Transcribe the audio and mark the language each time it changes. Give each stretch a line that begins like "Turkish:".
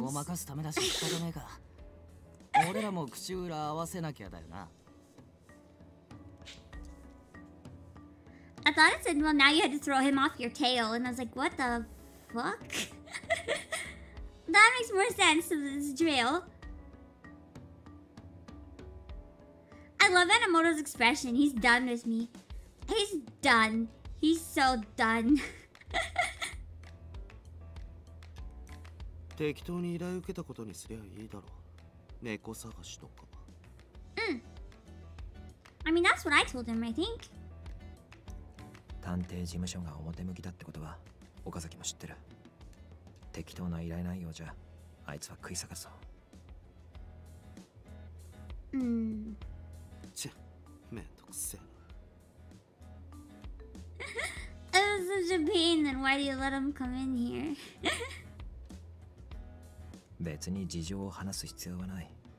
Japanese: ごまかすためだし仕方ないか。俺らも口裏合わせなきゃだよな。
English: I thought it said, well, now you had to throw him off your tail. And I was like, what the fuck? That makes more sense to this drill. I love Anemoto's expression. He's done with me. He's done. He's so done.
Japanese: 適当に依頼受けたことにすればいいだろう。猫探しとか。うん。
English: I mean, that's what I told him, I think.
Japanese: 探偵事務所が表向きだってことは、岡崎も知ってる。適当な依頼内容じゃ、あいつは食い下がそう。うん。ちゃ、めんどくせえな。
English: It was such a pain, then why do you let him come in here?
Japanese: 別に事情を話す必要はない。